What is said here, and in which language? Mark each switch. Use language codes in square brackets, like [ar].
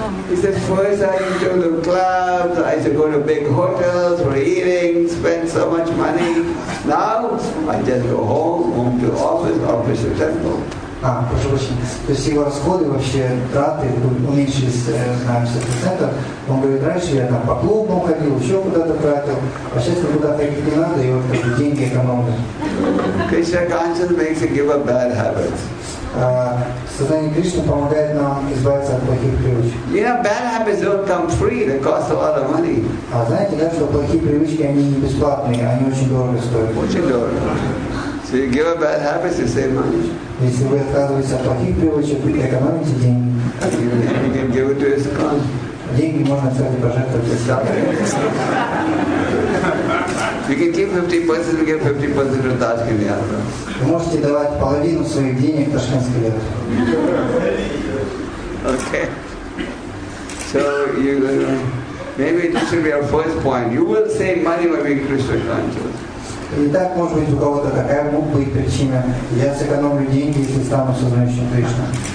[en] He said, first I used to go to clubs, I used to go to big hotels for eating, spend so much money. Now I just go home to office, official temple. [ru] То есть его расходы вообще, траты уменьшились на 50%. Он говорит, раньше я там по клубам ходил, еще куда-то тратил, а сейчас куда-то ходить не надо, и вот деньги экономлены. [en] Krishna consciousness makes you give up bad habits. [ru] Сознание Кришны помогает нам избавиться от плохих привычек. [en] You know, bad habits don't come free, they cost a lot of money. [ru] А знаете, да, что плохие привычки, они не бесплатные, они очень дорого стоят. Очень дорого. [en] So you give up bad habits, you save money. [ru] Если вы отказываетесь от плохих привычек, вы экономите деньги. [en] Give it to ISKCON. [ru] Деньги можно, кстати, пожертвовать ISKCON. [en] You can keep 50% and give 50% to Tashkent Yatra. [ru] Вы можете давать половину своих денег Ташкентской Ятре. [en] Okay. So you maybe this should be our first point. You will save money when being Krishna conscious. [ru] Итак, может быть, у кого-то такая мог быть причина. Я сэкономлю деньги, если стану сознающим Кришна.